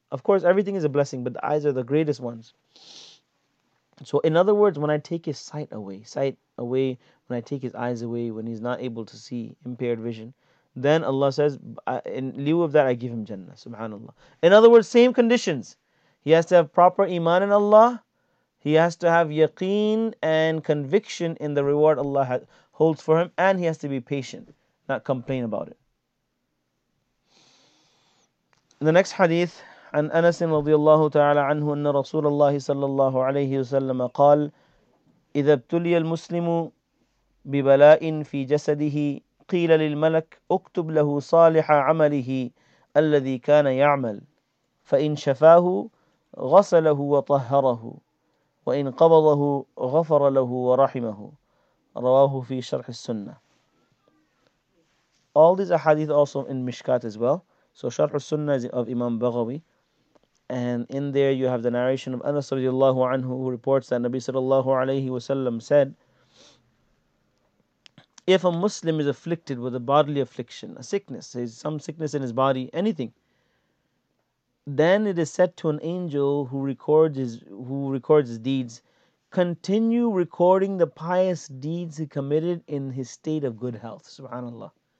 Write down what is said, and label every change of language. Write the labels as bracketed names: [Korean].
[English] Of course, everything is a blessing, but the eyes are the greatest ones. So in other words, when I take his sight away, when I take his eyes away, when he's not able to see, impaired vision, then Allah says, in lieu of that, I give him Jannah, subhanAllah. In other words, same conditions. He has to have proper iman in Allah. He has to have yaqeen and conviction in the reward Allah holds for him. And he has to be patient, not complain about it. In the next hadith, [Arabic] عن أنس رضي الله تعالى عنه أن رسول الله صلى الله عليه وسلم قال إذا ابتلي المسلم ببلاء في جسده قيل للملك اكتب له صالح عمله الذي كان يعمل فإن شفاه غسله وطهره وإن قبضه غفر له ورحمه رواه في شرح السنة. [English] All these are hadith also in Mishkat as well. So شرح السنة of Imam Baghawi. And in there you have the narration of Anas radiallahu anhu, who reports that Nabi sallallahu alayhi wasallam said, if a Muslim is afflicted with a bodily affliction, a sickness, some sickness in his body, anything, then it is said to an angel who records his deeds, continue recording the pious deeds he committed in his state of good health. Subhanallah.